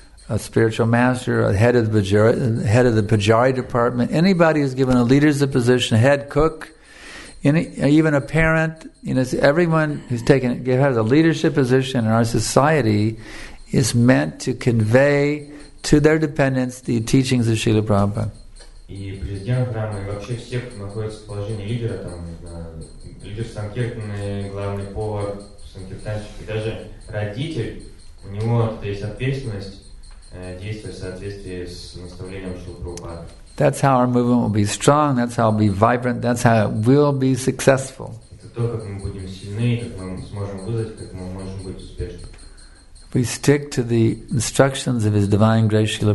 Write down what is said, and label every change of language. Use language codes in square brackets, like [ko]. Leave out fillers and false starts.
[en] a spiritual master, a head of the pujari department, anybody who's given a leader's position, head cook, even a parent, you know, everyone who's taken has a leadership position in our society is meant to convey to their dependents the teachings of Srila Prabhupada. [ru] И президент храма, и вообще все, кто находится в положении лидера, там, не знаю, лидер санкиртаны, главный повар, санкиртанщик, и даже родитель, у него есть ответственность действовать в соответствии с наставлением Шрилы Прабхупады. [en] That's how our movement will be strong, that's how it will be vibrant, that's how it will be successful. [ru] Это то, как мы будем сильны, как мы сможем вызвать, как мы можем быть успешны. [en] We stick to the instructions of His Divine Grace Srila